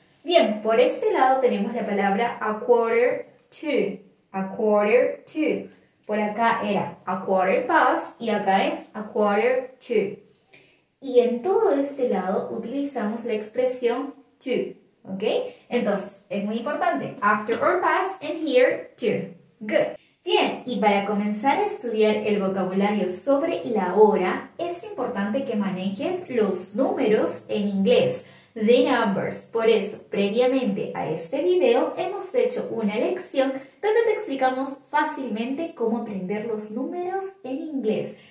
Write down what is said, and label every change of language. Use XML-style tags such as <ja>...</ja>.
<es>Bien, por este lado tenemos la palabra</es> <en>a quarter to. A quarter to.</en> <es>Por acá era</es> <en>a quarter past</en> <es>y acá es</es> <en>a quarter to.</en> <es>Y en todo este lado utilizamos la expresión to, ¿ok? Entonces, es muy importante.</es> <en>After or past and here to. Good.</en> <es>Bien, y para comenzar a estudiar el vocabulario sobre la hora, es importante que manejes los números en inglés.</es> <en>The numbers.</en> <es>Por eso, previamente a este video, hemos hecho una lección donde te explicamos fácilmente cómo aprender los números en inglés.</es>